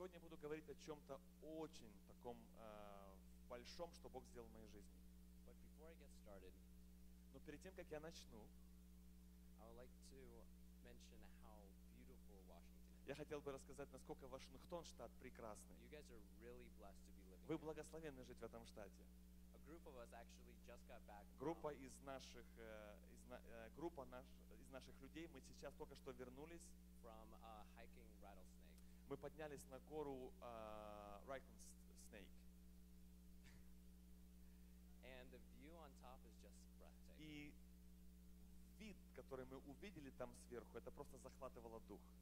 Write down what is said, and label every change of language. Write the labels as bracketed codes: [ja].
[ru] И сегодня я буду говорить о чем-то очень таком большом, что Бог сделал в моей жизни. [en] But before I get started, [ru] но перед тем, как я начну, [en] I would like to mention how beautiful Washington. [ru] Я хотел бы рассказать, насколько Вашингтон, штат, прекрасный. [en] You guys are really blessed to be living. [ru] Вы благословенны жить в этом штате. [en] A group of us actually just got back. [ru] Группа из наших, группа наш, из наших людей, мы сейчас только что вернулись. [en] From hiking Rattlesnake. [ru] Мы поднялись на гору Rattlesnake. [en] And the view on top is just breathtaking. [ru] И вид, который мы увидели там сверху, это просто захватывало дух.